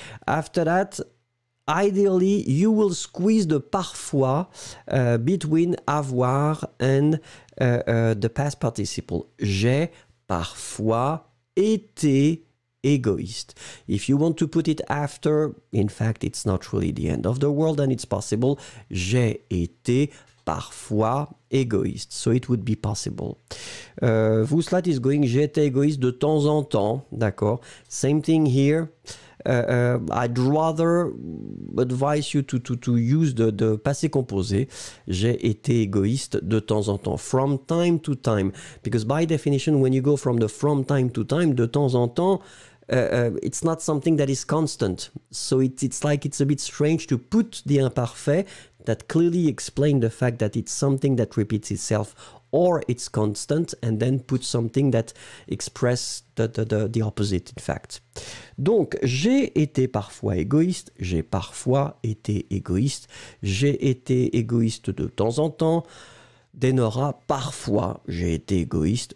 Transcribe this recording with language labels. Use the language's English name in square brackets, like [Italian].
[English] After that, ideally, you will squeeze the parfois between avoir and the past participle. [French] J'ai parfois été égoïste. [English] If you want to put it after, in fact, it's not really the end of the world and it's possible. [French] J'ai été parfois égoïste. [English] So it would be possible. [French] Vouslat [English] is going, [French] j'étais égoïste de temps en temps. [English] D'accord. Same thing here. I'd rather advise you to use the passé composé. [French] J'ai été égoïste de temps en temps. [English] From time to time. Because by definition, when you go from the from time to time, [French] de temps en temps, [English] it's not something that is constant. So it's like it's a bit strange to put the imparfait that clearly explains the fact that it's something that repeats itself or it's constant, and then put something that express the opposite, in fact. [French] Donc, j'ai été parfois égoïste, j'ai parfois été égoïste, j'ai été égoïste de temps en temps, Denora, parfois j'ai été égoïste.